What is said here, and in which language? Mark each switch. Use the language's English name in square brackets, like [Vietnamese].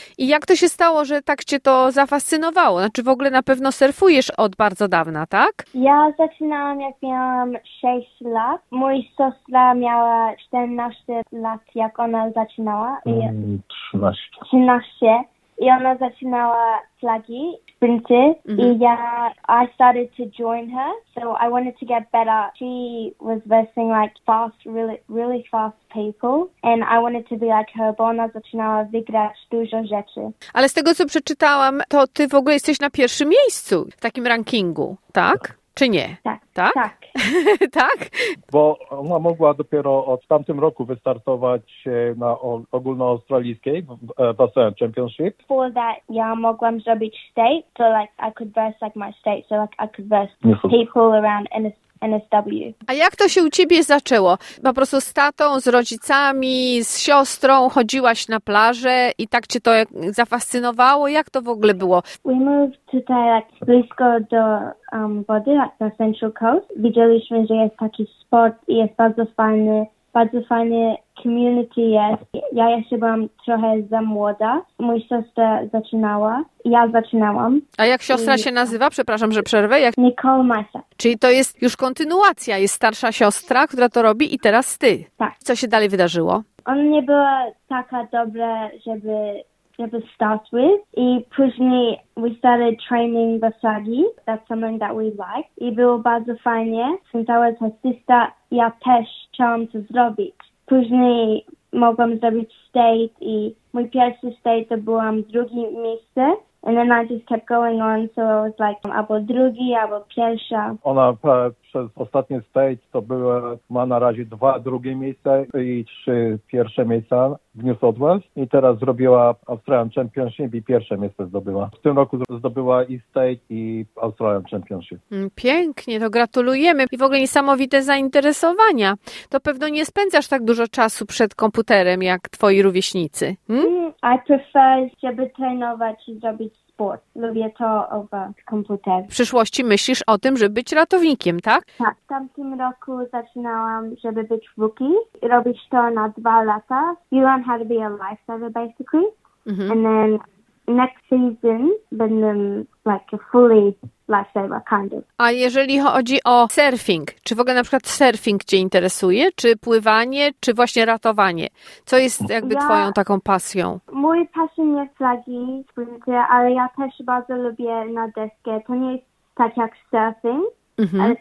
[Polish] I jak to się stało, że tak cię to zafascynowało? Znaczy w ogóle na pewno surfujesz od bardzo dawna, tak? Ja zaczynałam, jak miałam 6 lat. Mój siostra miała 14 lat. Jak ona zaczynała? 13. I ona zaczynała flagi, sprinty. Mm-hmm. I ja, [English] I started to join her. So I wanted to get better. She was versing like fast, really, really fast people. And I wanted to be like her, [Polish] bo ona zaczynała wygrać dużo rzeczy. Ale z tego, co przeczytałam, to ty w ogóle jesteś na pierwszym miejscu w takim rankingu, tak? Czy nie? Tak. Tak? Bo ona mogła dopiero od tamtym roku wystartować na ogólnoaustralijskiej basen championship. [English] Before that [Polish] ja mogłam zrobić [English] state, so like I could verse like my state, so like I could verse people around NSW. [Polish] A jak to się u ciebie zaczęło? Po prostu z tatą, z rodzicami, z siostrą chodziłaś na plażę i tak cię to zafascynowało? Jak to w ogóle było? [English] We moved [Polish] tutaj like, blisko do wody, like na Central Coast. Widzieliśmy, że jest taki spot i jest bardzo fajny community jest. Ja jeszcze byłam trochę za młoda. Mój siostra zaczynała. Ja zaczynałam. A jak siostra się nazywa? Przepraszam, że przerwę. Jak... Nicole Majsak. Czyli to jest już kontynuacja. Jest starsza siostra, która to robi i teraz ty. Tak. Co się dalej wydarzyło? Ona nie była taka dobra, żeby [English] start with. [Polish] I później [English] we started training the flagi. That's something that we like. [Polish] I było bardzo fajnie. [English] Since I was her sister, [Polish] ja też chciałam to zrobić. Później mogłam zrobić state i mój pierwszy state to byłam drugie miejsce. [English] And then I just kept going on, so I was like [Polish] albo drugi, albo pierwsza. Ona przez ostatnie state to była, ma na razie 2 drugie miejsca i 3 pierwsze miejsca w New South Wales. I teraz zrobiła Australian Championship i pierwsze miejsce zdobyła. W tym roku zdobyła i state, i Australian Championship. Pięknie, to gratulujemy. I w ogóle niesamowite zainteresowania. To pewno nie spędzasz tak dużo czasu przed komputerem, jak twoi rówieśnicy. [English] I prefer, [Polish] żeby trenować i zrobić sport. Lubię to oba komputer. W przyszłości myślisz o tym, żeby być ratownikiem, tak? Tak. W tamtym roku zaczynałam, żeby być rookie. Robisz to na 2 lata. [English] You learn how to be a lifesaver, basically. Mm-hmm. And then next season [Polish] będę [English] like a fully lifesaver, kind of. [Polish] A jeżeli chodzi o surfing, czy w ogóle na przykład surfing cię interesuje, czy pływanie, czy właśnie ratowanie? Co jest jakby twoją taką pasją? Mój passion jest flagi, ale ja też bardzo lubię na deskę. To nie jest tak jak surfing, mm-hmm.